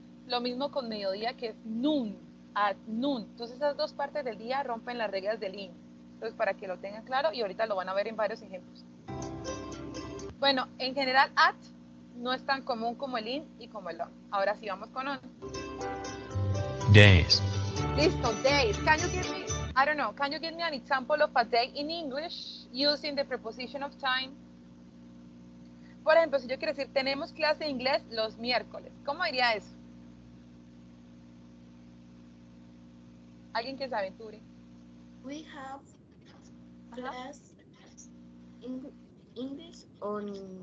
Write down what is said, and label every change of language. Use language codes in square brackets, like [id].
[es] Lo mismo con mediodía, que es [en] noon, at noon. [es] Entonces esas dos partes del día rompen las reglas del in. Entonces para que lo tengan claro y ahorita lo van a ver en varios ejemplos. Bueno, en general at no es tan común como el in y como el on. Ahora sí, vamos con on. [en] Days. [es] Listo, days. [en] Can you give me, I don't know, can you give me an example of a day in English using the preposition of time? [es] Por ejemplo, si yo quiero decir, tenemos clase de inglés los miércoles. ¿Cómo diría eso? ¿Alguien que se aventure? [en] We have class English on...